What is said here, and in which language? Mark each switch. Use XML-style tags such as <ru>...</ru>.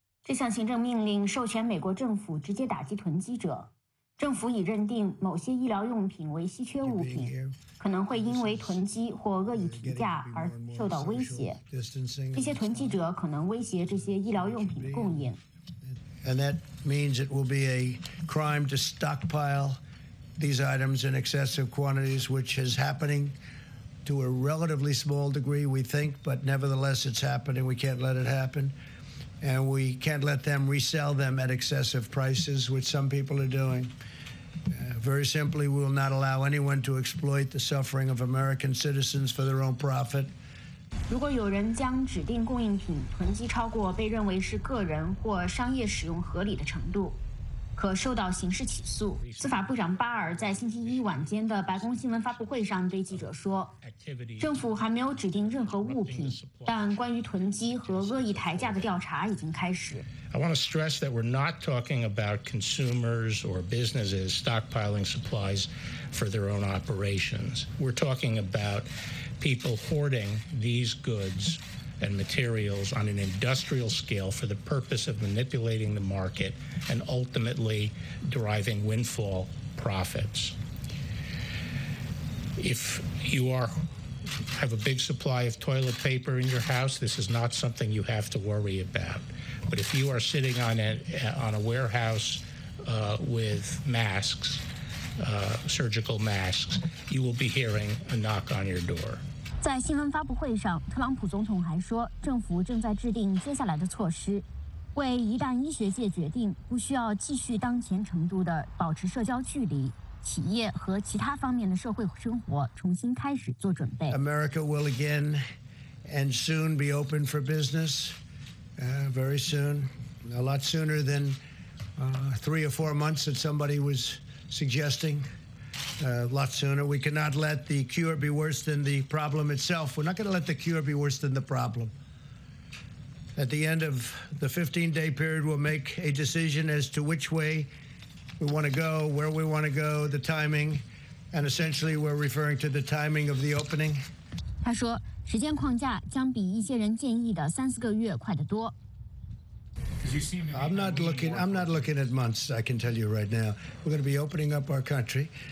<zh>这项行政命令授权美国政府直接打击囤积者。政府已认定某些医疗用品为稀缺物品，可能会因为囤积或恶意提价而受到威胁。这些囤积者可能威胁这些医疗用品的供应。</zh> <en>And that means it will be a crime to stockpile these items in excessive quantities, which is happening to a relatively small degree, we think, but nevertheless, it's happening. We can't let it happen. And we can't let them resell them at excessive prices, which some people are doing. Very simply, we will not allow anyone to exploit the suffering of American citizens for their own profit.</en> <zh>如果有人将指定供应品囤积超过被认为是个人或商业使用合理的程度，可受到刑事起诉。司法部长巴尔在星期一晚间的白宫新闻发布会上对记者说，政府还没有指定任何物品，但关于囤积和恶意抬价的调查已经开始。</zh> <en>I want to stress that we're not talking about consumers or businesses stockpiling supplies for their own operations. We're talking about people hoarding these goods and materials on an industrial scale for the purpose of manipulating the market and ultimately deriving windfall profits. If you have a big supply of toilet paper in your house, this is not something you have to worry about. But if you are sitting on a warehouse with masks, surgical masks, you will be hearing a knock on your door.</en> <zh>在新闻发布会上，特朗普总统还说，政府正在制定接下来的措施，为一旦医学界决定不需要继续当前程度的保持社交距离，企业和其他方面的社会生活重新开始做准备。</zh> <en>America will again and soon be open for business, very soon, a lot sooner than three or four months that somebody was suggesting. Lot sooner. We cannot let the cure be worse than the problem itself. We're not going to let the cure be worse than the problem. At the end of the 15-day period, we'll make a decision as to which way we want to go, where we want to go, the timing, and essentially we're referring to the timing of the opening.</en> <zh>他说，时间框架将比一些人建议的三四个月快得多。</zh> <en>I'm not looking at months, I can tell you right now. We're going to be opening up our country.</en>